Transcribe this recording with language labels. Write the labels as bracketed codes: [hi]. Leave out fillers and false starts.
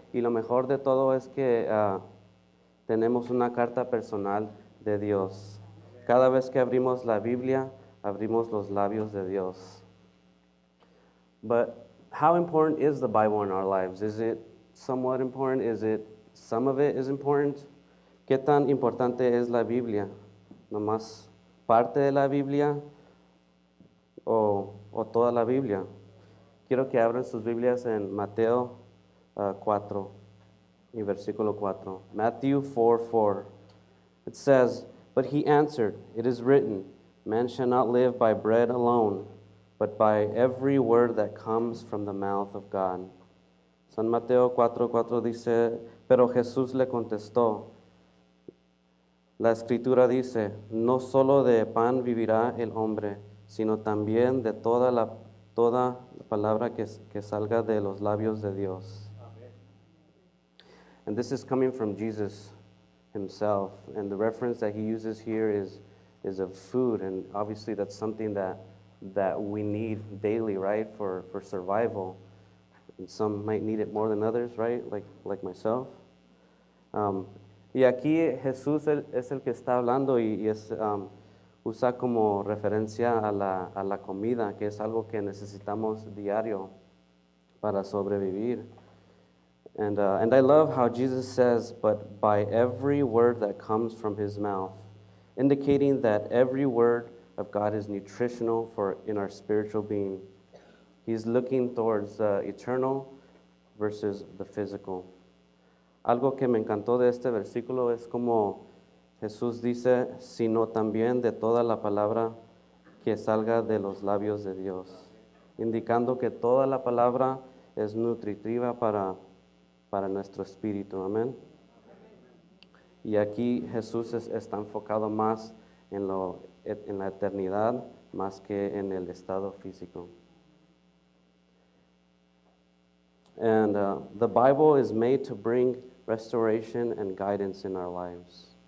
[es] Y lo mejor de todo es que tenemos una carta personal de Dios. Cada vez que abrimos la Biblia, abrimos los labios de Dios. [en] But how important is the Bible in our lives? Is it somewhat important? Is it, some of it is important? [es] ¿Qué tan importante es la Biblia? ¿Nomás parte de la Biblia o toda la Biblia? Quiero que abran sus Biblias en Mateo 4 y versículo 4. [en] Matthew 4:4. It says, but he answered, it is written, man shall not live by bread alone, but by every word that comes from the mouth of God. [es] San Mateo 4:4 dice, pero Jesús le contestó, la escritura dice, no solo de pan vivirá el hombre, sino también de toda la palabra que salga de los labios de Dios. [en] Amen. And this is coming from Jesus himself. And the reference that he uses here is of food. And obviously that's something that we need daily, right, for survival. And some might need it more than others, right, like myself. [es] Y aquí Jesús es el que está hablando y es usa como referencia a la comida, que es algo que necesitamos diario para sobrevivir. [en] And I love how Jesus says, but by every word that comes from his mouth, indicating that every word of God is nutritional for in our spiritual being. He's looking towards the eternal versus the physical. [es] Algo que me encantó de este versículo es como Jesús dice, sino también de toda la palabra que salga de los labios de Dios. Indicando que toda la palabra es nutritiva para nuestro espíritu. Amén. Y aquí Jesús está enfocado más en la eternidad más que en el estado físico. [en] And the Bible is made to bring restoration and guidance in our lives.